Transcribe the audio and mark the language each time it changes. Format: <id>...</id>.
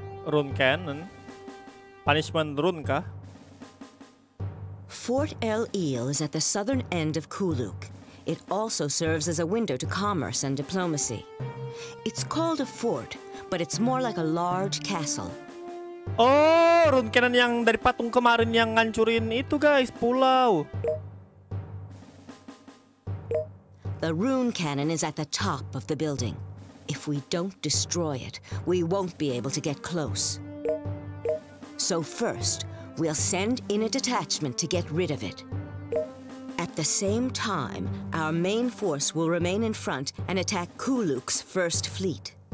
<id>Rune cannon? Punishment rune kah?</id> <en>Fort El Eel is at the southern end of Kuluk. It also serves as a window to commerce and diplomacy. It's called a fort, but it's more like a large castle.</en> <id>Oh, rune cannon yang dari patung kemarin yang ngancurin itu guys, pulau.</id> <en>The rune cannon is at the top of the building. If we don't destroy it, we won't be able to get close. So first, we'll send in a detachment to get rid of it. At the same time, our main force will remain in front and attack Kuluk's first fleet.</en>